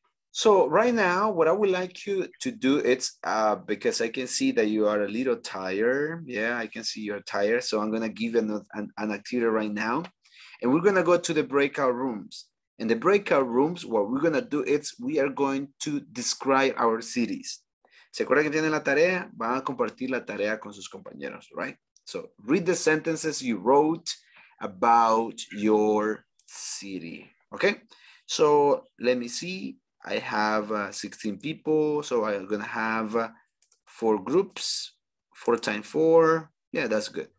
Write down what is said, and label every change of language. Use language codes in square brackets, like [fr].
[en] So right now, what I would like you to do is, because I can see that you are a little tired. Yeah, I can see you're tired. So I'm going to give you an activity right now. And we're going to go to the breakout rooms. In the breakout rooms, what we're going to do is we are going to describe our cities. [es] ¿Se acuerdan que tienen la tarea? Van a compartir la tarea con sus compañeros, right? [en] So read the sentences you wrote about your city, okay? So let me see. I have 16 people. So I'm going to have 4 groups, 4 times 4. Yeah, that's good.